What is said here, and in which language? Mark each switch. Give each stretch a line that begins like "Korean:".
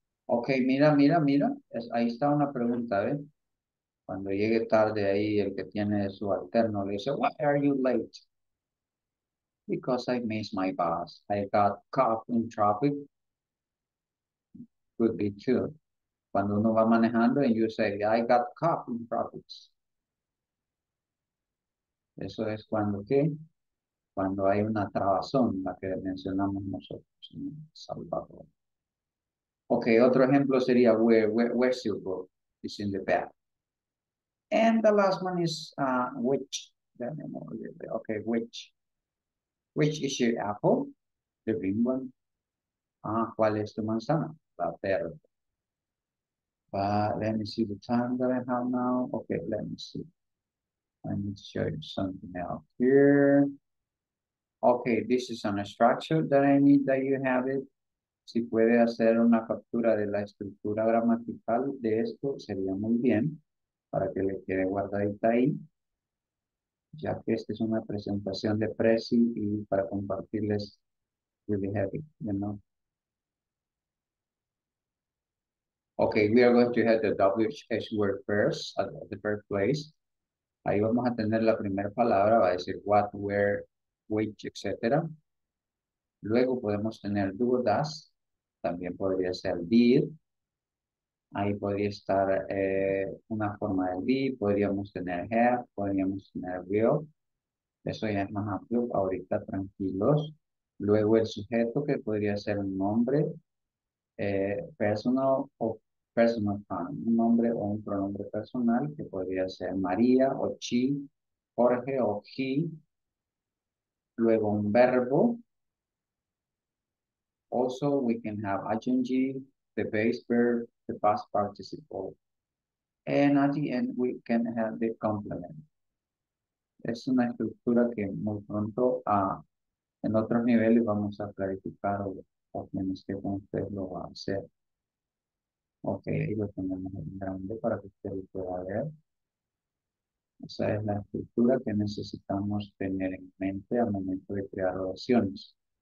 Spanish: Okay, mira. Ahí está una pregunta, ¿ves? Cuando llegue tarde ahí, el que tiene su alterno le dice,
English: why are you late? Because I missed my bus. I got caught in traffic. Could be true.
Spanish: Cuando uno va manejando
English: and you say, I got caught in traffic.
Spanish: Eso es cuando, ¿qué? Cuando hay una trabazón, la que mencionamos nosotros en Salvador.
English: Okay,
Spanish: otro ejemplo sería,
English: where's your book? It's in the bag. And the last one is, which? Okay, which? Which is your apple? The green one?
Spanish: ¿Cuál es tu manzana? La verde.
English: But let me see the time that I have now. Okay, let me see. I need to show you something else here. Okay, this is an structure that I need that you have it.
Spanish: Si puede hacer una captura de la estructura gramatical de esto, sería muy bien para que le quede guardadita ahí. Ya que esta es una presentación de Prezi y para compartirles,
English: really heavy, you know. Okay, we are going to have the WH word first at the first place.
Spanish: Ahí vamos a tener la primera palabra, va a decir what, where, which, etc. Luego podemos tener do or does. También podría ser did. Ahí podría estar una forma de did. Podríamos tener have. Podríamos tener will. Eso ya es más amplio. Ahorita tranquilos. Luego el sujeto que podría ser un nombre. Personal o personal pronoun. Un nombre o un pronombre personal que podría ser María o she, Jorge o he. Luego un verbo.
English: Also, we can have ing, the base verb, the past participle. And at the end, we can have the complement.
Spanish: Es una estructura que muy pronto, en otros niveles vamos a clarificar o tienes que con usted lo va a hacer. Ok, ahí lo tenemos en grande para que usted lo pueda ver. Esa es la estructura que necesitamos tener en mente al momento de crear oraciones.